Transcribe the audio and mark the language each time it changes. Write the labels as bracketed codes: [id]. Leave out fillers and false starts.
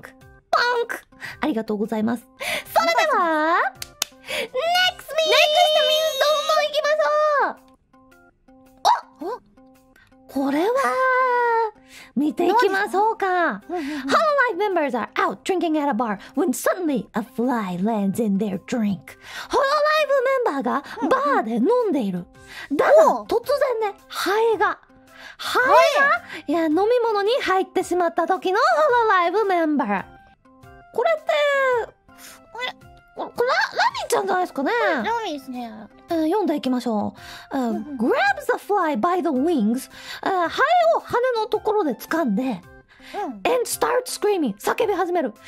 [ja] Bonk、 ありがとうございます。それでは NEXT ME、 NEXT ME、どんどん行きましょう。お、お、これは見ていきましょうか。 [en] Hololive members are out drinking at a bar when suddenly a fly lands in their drink。 [ja] Hololive メンバーがバーで飲んでいる、だが突然ね、ハエが、ハエが、いや、飲み物に入ってしまった時の Hololive メンバー。これってラミちゃんじゃないですかね。ラミですね。読んでいきましょう。 [en] grabs a fly by the wings、 [ja] ハエを羽のところで掴んで、 [en] and start screaming、 [ja] 叫び始める。